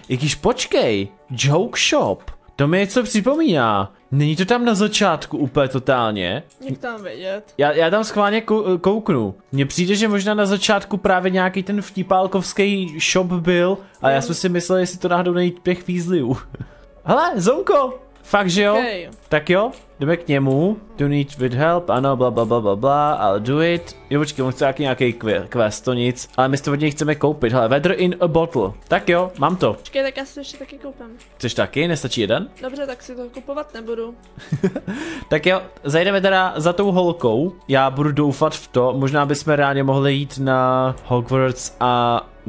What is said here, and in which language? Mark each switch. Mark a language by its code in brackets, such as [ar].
[cs] Jakýž počkej, Joke Shop. To mi něco připomíná. Není to tam na začátku úplně totálně? Jak tam vědět? Já tam schválně kouknu. Mně přijde, že možná na začátku právě nějaký ten vtipálkovský shop byl. A já jsem si myslel, jestli to náhodou není pěch Weasleyů. Hele, Zonko! Fakt, že jo? [en] Okay. [cs] Tak jo, jdeme k němu. [en] Do need with help, ano, blablabla, I'll do it. [cs] Jo, počkej, on chce nějaký quest, to nic. Ale my si to od něj chceme koupit, hele, [en] weather in a bottle. [cs] Tak jo, mám to. Počkej, tak já si ještě taky koupím. Chceš taky, nestačí jeden? Dobře, tak si to kupovat nebudu. Tak jo, zajdeme teda za tou holkou. Já budu doufat v to, možná bychom reálně mohli jít na Hogwarts a...